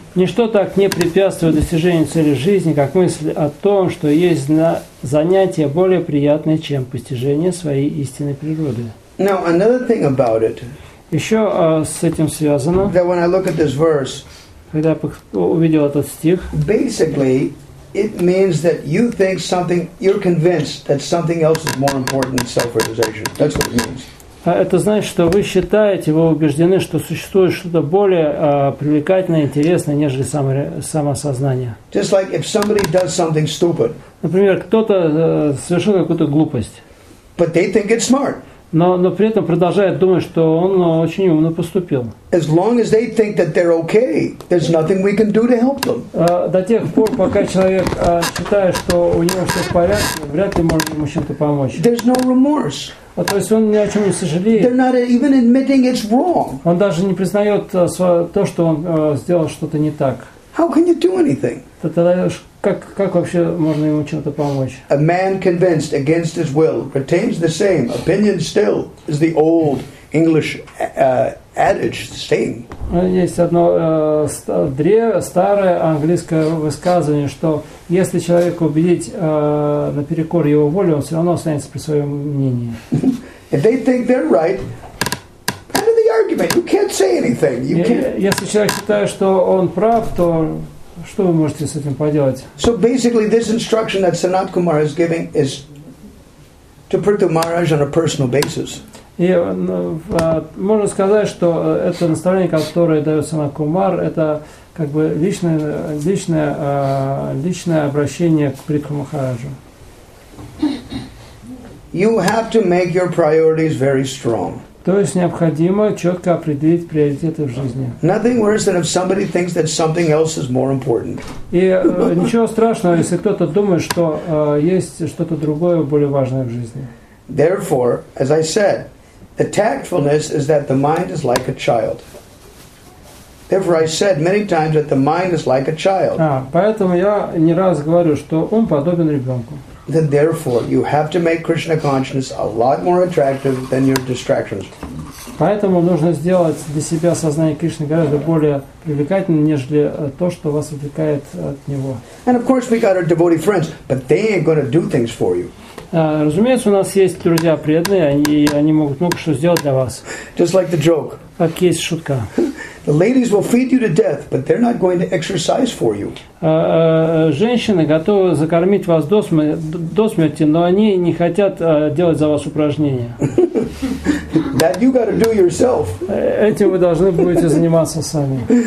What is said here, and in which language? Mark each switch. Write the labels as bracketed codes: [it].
[ru] Ничто так не препятствует достижению цели жизни, как мысль о том, что есть занятие более приятное, чем постижение своей истинной природы. [en] Now, another thing about it. [ru] Еще с этим связано. [en] That when I look at this verse, [ru] когда я увидел этот стих, [en] basically, it means that you think something, you're convinced that something else is more important than self-realization. That's what it means. [ru] Это значит, что вы считаете, вы убеждены, что существует что-то более привлекательное, интересное, нежели самосознание. [en] Just like if somebody does something stupid. [ru] Например, кто-то совершил какую-то глупость. [en] But they think it's smart. [ru] Но при этом продолжает думать, что он очень умно поступил. [en] As long as they think that they're okay, there's nothing we can do to help them. [ru] До тех пор, пока человек считает, что у него все в порядке, вряд ли можно ему чем-то помочь. [en] There's no remorse. [ru] То есть он ни о чем не сожалеет. [en] They're not even admitting it's wrong. [ru] Он даже не признает то, что он сделал что-то не так. [en] How can you do anything? [ru] Как вообще можно ему чем-то помочь? [en] A man convinced against his will retains the same opinion still is the old English adage saying. [ru] Есть одно старое английское высказывание, что если человека убедить наперекор его воле, он все равно останется при своем мнении. [en] If they think they're right, end of the argument. You can't say anything. You can't. [ru] Если человек считает, что он прав, то что вы можете с этим поделать? [en] So basically, this instruction that Sanat Kumar is giving is to Prithu Maharaj on a personal basis. [ru] И можно сказать, что это наставление, которое дает Санат Кумар, это как бы личное обращение к Прихву Махараджу. [en] You have to make your priorities very strong. [ru] То есть необходимо четко определить приоритеты в жизни. [en] Nothing worse than if somebody thinks that something else is more important. [ru] И ничего страшного, если кто-то думает, что есть что-то другое, более важное в жизни. [en] Therefore, as I said, the tactfulness is that the mind is like a child. Therefore, I said many times that the mind is like a child. [ru] Поэтому я не раз говорю, что ум подобен ребенку. [en] Then, therefore, you have to make Krishna consciousness a lot more attractive than your distractions. [ru] Поэтому нужно сделать для себя сознание Кришны гораздо более привлекательным, нежели то, что вас отвлекает от него. [en] And of course, we got our devotee friends, but they ain't going to do things for you. [ru] Разумеется, у нас есть друзья преданные, они могут много что сделать для вас. [en] Just like the joke. [ru] Как есть шутка. [en] The ladies will feed you to death, but they're not going to exercise for you. [ru] Женщины готовы закормить вас до смерти, но они не хотят делать за вас упражнения. [en] That you got to do yourself. [ru] Этим вы должны будете заниматься сами.